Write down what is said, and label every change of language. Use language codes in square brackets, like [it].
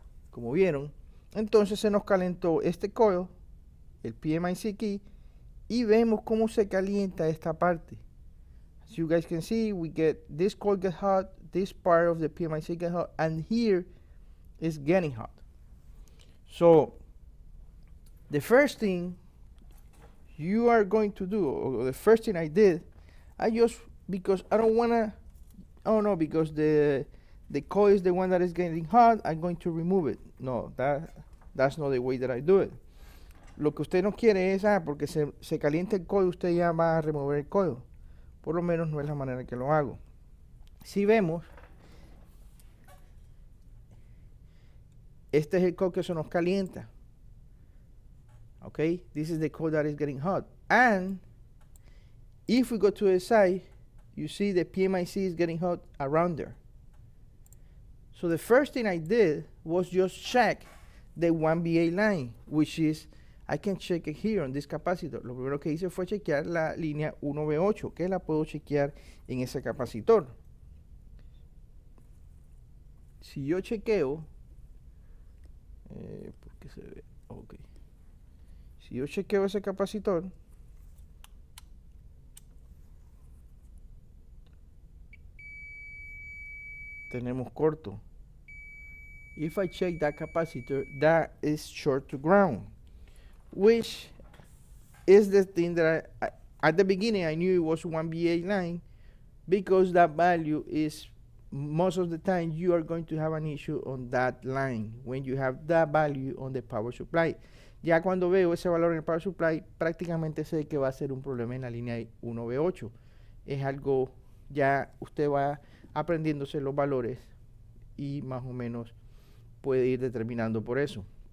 [es] Como vieron, entonces se nos calentó este coil, el PMIC key, y vemos cómo se calienta esta parte. [en] As you guys can see, we get this coil get hot, this part of the PMIC get hot, and here is getting hot. So the first thing you are going to do, or the first thing I did, because the coil is the one that is getting hot, I'm going to remove it. No, that's not the way that I do it. [es] Lo que usted no quiere es, porque se calienta el coil, usted ya va a remover el coil. Por lo menos no es la manera que lo hago. Si vemos, este es el coil que se nos calienta. [en] Okay, this is the coil that is getting hot. And if we go to the side, you see the PMIC is getting hot around there. So the first thing I did was just check the 1VA line, which is, I can check it here on this capacitor. [es] Lo primero que hice fue chequear la línea 1V8, que la puedo chequear en ese capacitor. Si yo chequeo, ¿por qué se ve? Ok. Si yo chequeo ese capacitor, tenemos corto. [en] If I check that capacitor, that is short to ground, which is the thing that at the beginning I knew it was 1VA line, because that value is, most of the time you are going to have an issue on that line when you have that value on the power supply. [es] Ya cuando veo ese valor en el power supply, prácticamente sé que va a ser un problema en la línea 1V8. Es algo, ya usted va aprendiéndose los valores y más o menos puede ir determinando por eso.